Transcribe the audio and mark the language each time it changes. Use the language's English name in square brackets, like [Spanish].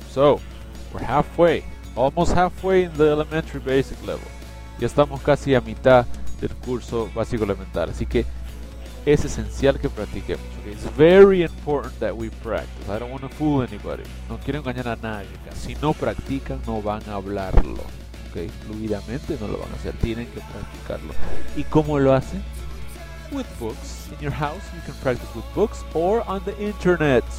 [English] So we're halfway, almost halfway in the elementary basic level. [Spanish] Ya estamos casi a mitad del curso básico elemental, así que es esencial que practiquemos. [English] Okay? It's very important that we practice. I don't want to fool anybody. [Spanish] No quiero engañar a nadie. Si no practican, no van a hablarlo. Okay? Fluidamente no lo van a hacer. Tienen que practicarlo. ¿Y cómo lo hacen? [English] With books. In your house, you can practice with books or on the internet.